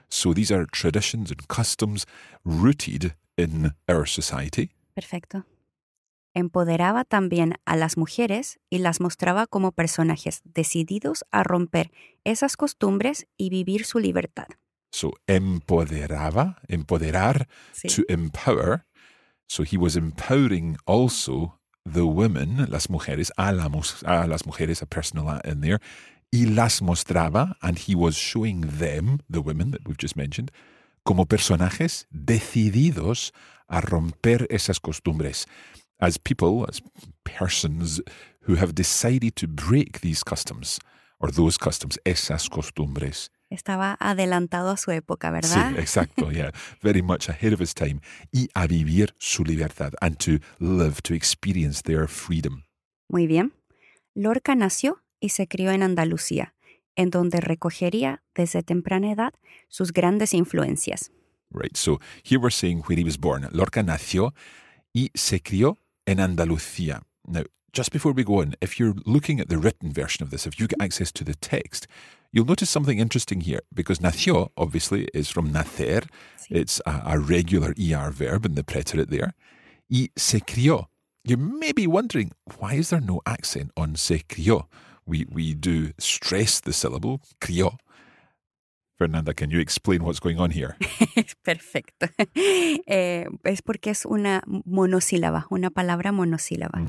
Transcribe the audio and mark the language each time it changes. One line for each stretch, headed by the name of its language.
English: So, these are traditions and customs rooted in our society.
Spanish: Perfecto. Empoderaba también a las mujeres y las mostraba como personajes decididos a romper esas costumbres y vivir su libertad.
English: So,
Spanish: empoderaba, empoderar, sí.
English: To empower. So, he was empowering also the women,
Spanish: las mujeres, a las mujeres,
English: a personal in there,
Spanish: y las mostraba,
English: and he was showing them, the women that we've just mentioned,
Spanish: como personajes decididos a romper esas costumbres.
English: As people, as persons who have decided to break these customs, or those customs,
Spanish: esas costumbres. Estaba adelantado a su época, ¿verdad? Sí, exacto,
English: yeah. Very much ahead of his time.
Spanish: Y a vivir su libertad,
English: and to live, to experience their freedom.
Spanish: Muy bien. Lorca nació y se crió en Andalucía, en donde recogería, desde temprana edad, sus grandes influencias.
English: Right, so here we're saying where he was born.
Spanish: Lorca nació y se crió en Andalucía.
English: Now, just before we go on, if you're looking at the written version of this, if you get access to the text, you'll notice something interesting here, because nació, obviously, is from nacer. Sí. It's a regular ER verb in the preterite there.
Spanish: Y se crió.
English: You may be wondering, why is there no accent on se crió? We do stress the syllable, crió. Fernanda, can you explain what's going on here?
Spanish: Perfecto. Es porque es una monosílaba, una palabra monosílaba.